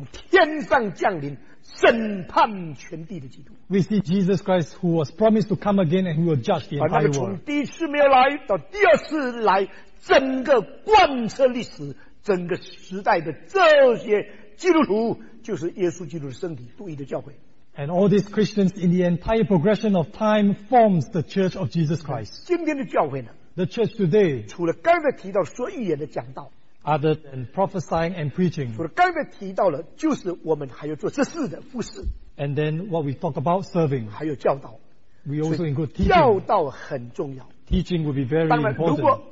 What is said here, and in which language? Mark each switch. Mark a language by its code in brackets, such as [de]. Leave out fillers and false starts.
[zh] 看见那位应许要再来,要从天上降临, 审判全地的基督, [en] we see Jesus Christ who was promised to come again and who will judge the entire world. [zh] 从第一次没有来到第二次来, 整个贯彻历史, 整个时代的这些基督徒, 就是耶稣基督的身体, 独一的教会。 [en] And all these Christians in the entire progression of time forms the church of Jesus Christ. [zh] 今天的教会呢, [en] the church today, [zh] 除了刚才提到说预言的讲道, [en] other than prophesying and preaching, [zh] 除了刚才提到了, 就是我们还要做这事的服事, [en] and then what we talk about, serving, [zh] 还有教导, [en] we also include teaching. [zh] 教导很重要, [en] teaching would be very important.